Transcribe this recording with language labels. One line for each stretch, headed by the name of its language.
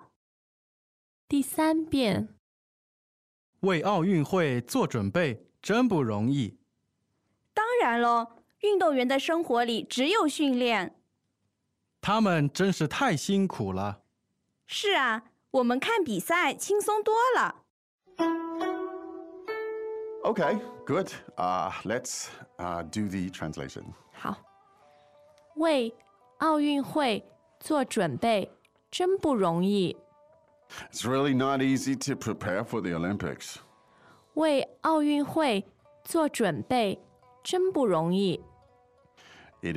Chinese: 当然了，运动员的生活里只有训练。他们真是太辛苦了。是啊，我们看比赛轻松多了。第二遍。为奥运会做准备真不容易。当然了，运动员的生活里只有训练。他们真是太辛苦了。是啊，我们看比赛轻松多了。第三遍。为奥运会做准备真不容易。当然了，运动员的生活里只有训练。他们真是太辛苦了。是啊，我们看比赛轻松多了。
English: Okay, good. Let's do the translation.
Chinese: 好。为奥运会做准备真不容易。
English: It's really not easy to prepare for the Olympics.
Chinese: 为奥运会做准备真不容易。
English: It